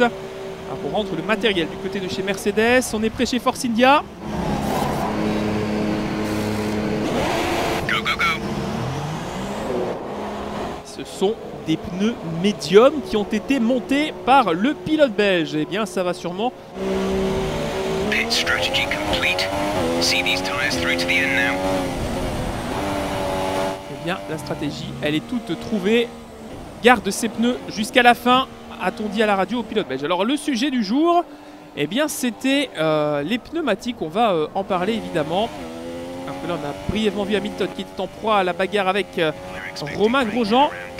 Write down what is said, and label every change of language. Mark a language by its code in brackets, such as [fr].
[fr] Alors, pour rendre le matériel du côté de chez Mercedes, on est prêt chez Force India. Ce sont des pneus médiums qui ont été montés par le pilote belge. Eh bien, ça va sûrement. [en] Pit strategy complete. See these tires through to the end now. [fr] Eh bien, la stratégie, elle est toute trouvée. Garde ses pneus jusqu'à la fin, a-t-on dit à la radio au pilote belge. Alors, le sujet du jour, eh bien, c'était les pneumatiques. On va en parler, évidemment. Alors que là, on a brièvement vu Hamilton qui était en proie à la bagarre avec Romain Grosjean.